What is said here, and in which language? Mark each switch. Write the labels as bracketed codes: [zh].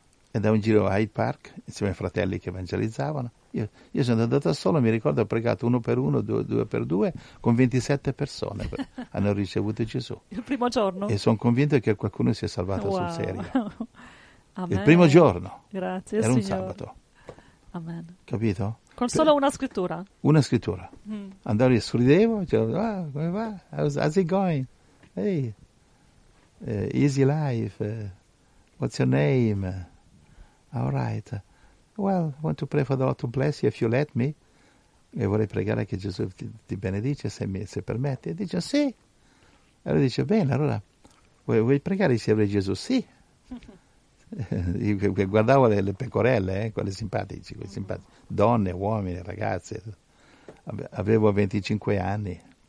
[it] E da un giro a Hyde Park, insieme ai fratelli che evangelizzavano, io sono andato da solo, mi ricordo, ho pregato uno per uno, due per due, con 27 persone hanno ricevuto Gesù. Il primo giorno? E sono convinto che qualcuno si è salvato sul serio. Amen. Il primo giorno. Grazie, era Signore. Un sabato. Amen. Capito? Con solo una scrittura? Una scrittura. Mm. Andavo e scrivevo, dicevo, ah, come va? [en] How's it going? Hey, easy life, what's your name? All right. Well, I want to pray for the Lord to bless you if you let me. [it] E vorrei pregare che Gesù ti benedice se permette. E dice, sì. E lui dice, bene, allora, vuoi pregare insieme a Gesù? Sì. Guardavo le pecorelle, quelle simpatici, quelle simpatici. Donne, uomini, ragazze. Avevo 25 anni.